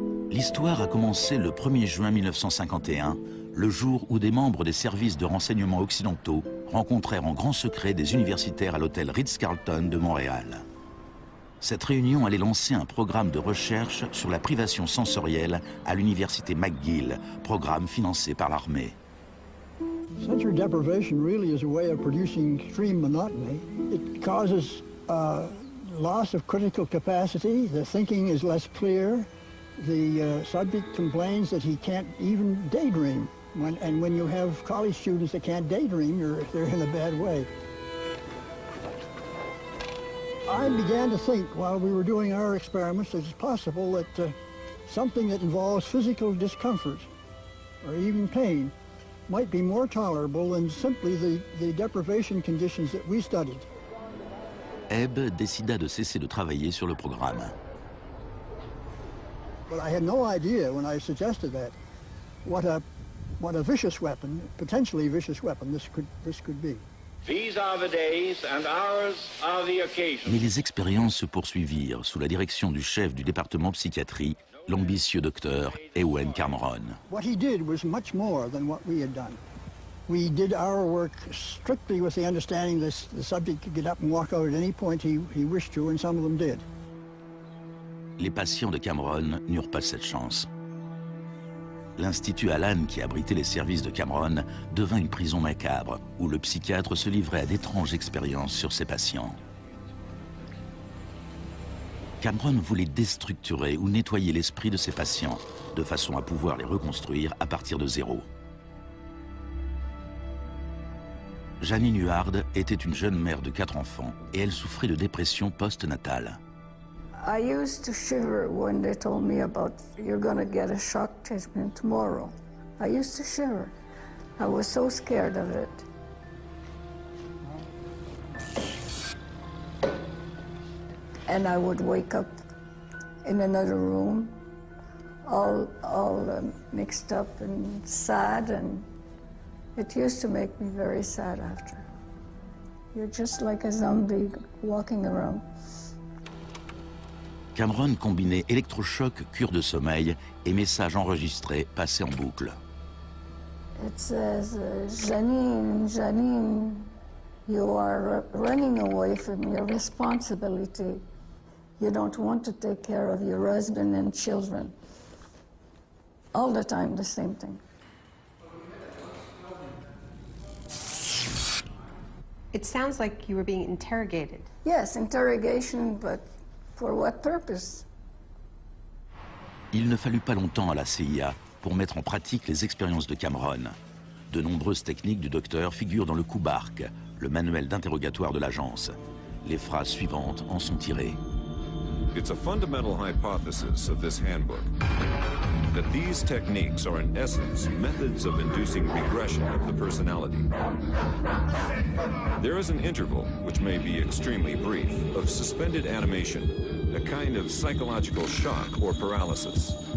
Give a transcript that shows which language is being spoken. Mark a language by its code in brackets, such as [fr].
[fr] L'histoire a commencé le 1er juin 1951, le jour où des membres des services de renseignement occidentaux rencontrèrent en grand secret des universitaires à l'hôtel Ritz-Carlton de Montréal. Cette réunion allait lancer un programme de recherche sur la privation sensorielle à l'université McGill, programme financé par l'armée. [en] Sensory deprivation really is a way of producing extreme monotony. It causes loss of critical capacity, the thinking is less clear. The subject complains that he can't even daydream. When you have college students that can't daydream, they're in a bad way. I began to think while we were doing our experiments that it's possible that something that involves physical discomfort or even pain might be more tolerable than simply the deprivation conditions that we studied. [fr] Ebb décida de cesser de travailler sur le programme. [en] But I had no idea when I suggested that what a vicious weapon, potentially vicious weapon, this could be. These are the days and ours are the occasions. [fr] Mais les expériences se poursuivirent sous la direction du chef du département psychiatrie, l'ambitieux docteur Ewen Cameron. [en] What he did was much more than what we had done. We did our work strictly with the understanding that the subject could get up and walk out at any point he wished to, and some of them did. [fr] Les patients de Cameron n'eurent pas cette chance. L'Institut Allan, qui abritait les services de Cameron, devint une prison macabre, où le psychiatre se livrait à d'étranges expériences sur ses patients. Cameron voulait déstructurer ou nettoyer l'esprit de ses patients, de façon à pouvoir les reconstruire à partir de zéro. Janine Huard était une jeune mère de 4 enfants, et elle souffrait de dépression post-natale. [en] I used to shiver when they told me about you're gonna get a shock treatment tomorrow. I used to shiver. I was so scared of it. And I would wake up in another room, all mixed up and sad, and it used to make me very sad after. You're just like a zombie walking around. [fr] Cameron combinait électrochocs, cure de sommeil et messages enregistrés passés en boucle. [en] It says, Janine, you are running away from your responsibility. You don't want to take care of your husband and children. All the time, the same thing. It sounds like you were being interrogated. Yes, interrogation, but. For what purpose? [fr] Il ne fallut pas longtemps à la CIA pour mettre en pratique les expériences de Cameron. De nombreuses techniques du docteur figurent dans le Kubark, le manuel d'interrogatoire de l'agence. Les phrases suivantes en sont tirées. [en] It's a fundamental hypothesis of this handbook that these techniques are in essence methods of inducing regression of the personality. There is an interval, which may be extremely brief, of suspended animation, a kind of psychological shock or paralysis.